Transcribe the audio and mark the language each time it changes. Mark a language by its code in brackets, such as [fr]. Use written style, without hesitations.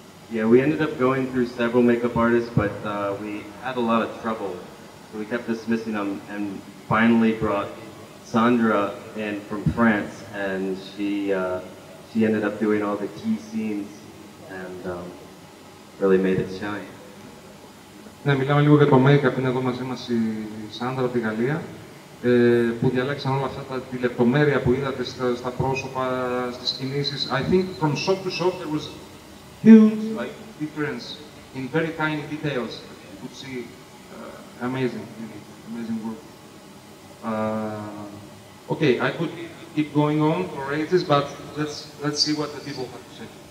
[en] Yeah, we ended up going through several makeup artists, but we had a lot of trouble. So we kept dismissing them and finally brought Sandra in from France, and she ended up doing all the key scenes and really made it shine. [el] Ναι, μιλάμε λίγο για το makeup. Είναι εδώ μαζί μας η Σάντρα από τη Γαλλία, που διαλέξαν όλα αυτά τη λεπτομέρεια που είδατε στα πρόσωπα, στις κινήσεις. [en] I think from shot to shot there was huge like difference in very tiny details. You could see amazing work. Okay, I could keep going on for ages, but let's see what the people have to say.